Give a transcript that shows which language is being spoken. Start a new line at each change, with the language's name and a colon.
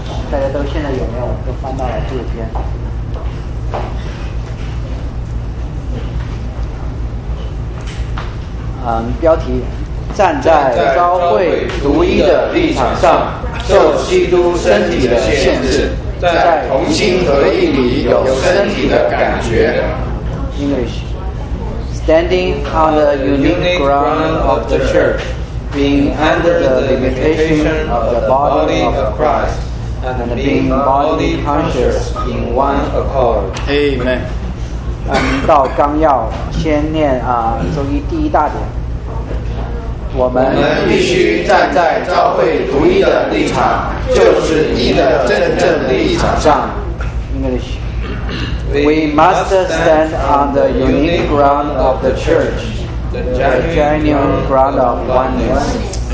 Chinese: 大家都现在有没有都翻到了第五篇？标题：站在召会独一的立场上，受基督身体的限制。在同心合意里有身体的感觉。
English: English. Standing on the unique ground of the church, being under the limitation of the body of Christ, and being body conscious in one accord. Amen.
Chinese: 到纲要先念周一第一大点。我们必须站在召会独一的立场，就是义的真正立场上。
English: English. We must stand on the unique ground of the church, the genuine ground of oneness.